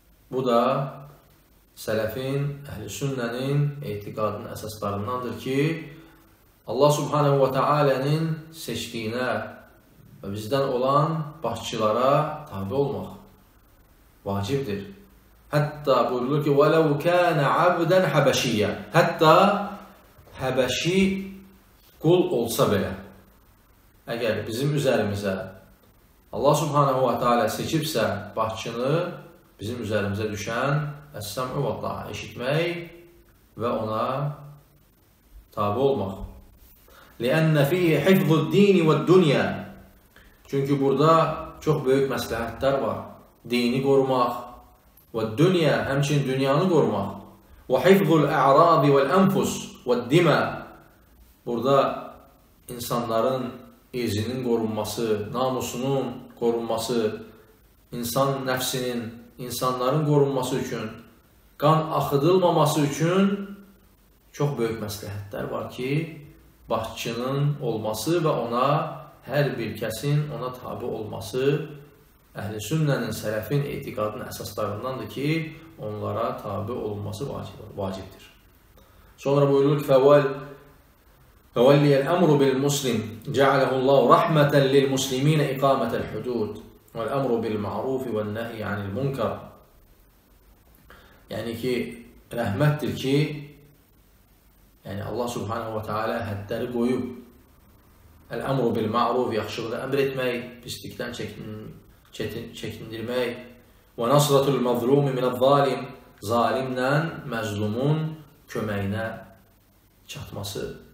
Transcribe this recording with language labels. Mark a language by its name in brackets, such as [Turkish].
[Azerbaijani] Bu da sələfin, əhl-i sünnənin etiqadının əsaslarındandır ki, Allah Subhanahu wa Taala'nın seçdiyinə və bizdən olan başçılara tabi olmaq vacibdir. Hətta buyurulur ki, [Arabic] وَلَوْ كَانَ عَبْدًا حَبَشِيًّا. [Azerbaijani] Hətta həbəşi qul olsa belə, əgər bizim üzərimizə Allah Subhanahu wa Taala seçibsə başçını, bizim üzərimizə düşən [Arabic] əs-səm'u vəl-tə'a, [Azerbaijani] eşitmək və ona tabi olmaq. [Arabic] لِأَنَّ فِيهِ حِفْظُ الدِّينِ وَالدُّنْيَا. [Azerbaijani] Çünki burada çox böyük məsləhətlər var. Dini qorumaq və dünya, həmçin dünyanı qorumaq. Və [Arabic] hifzul ə'rabi vəl-ənfus və dimə. [Azerbaijani] Burada insanların izinin qorunması, namusunun qorunması, insan nəfsinin, insanların qorunması üçün, qan axıdılmaması üçün çox böyük məsləhətlər var ki, başçının olması və ona hər bir kəsin ona tabi olması əhl-i sünnənin, sələfin etiqadının əsaslarındandır ki, onlara tabi olunması vacibdir. Sonra buyurur ki, [Arabic] فَوَلِّيَ الْأَمْرُ بِالْمُسْلِمِ جَعَلَهُ اللّٰهُ رَحْمَةً لِلْمُسْلِمِينَ اِقَامَةَ الْحُدُودِ وَالْأَمْرُ بِالْمَعْرُوفِ وَالنَّهِ عَنِ الْمُنْكَرِ. [Azerbaijani] Yəni ki, rəhmətdir ki, yəni Allah Subhanahu wa Taala həddləri qoyub, [Arabic] Əl-əmru bil-mə'ruf, [Azerbaijani] yaxşılığı əmr etmək, pislikdən çəkindirmək. Və [Arabic] nəsrətul məzlumi minəz-zalim, [Azerbaijani] zalimlə məzlumun köməyinə çatması.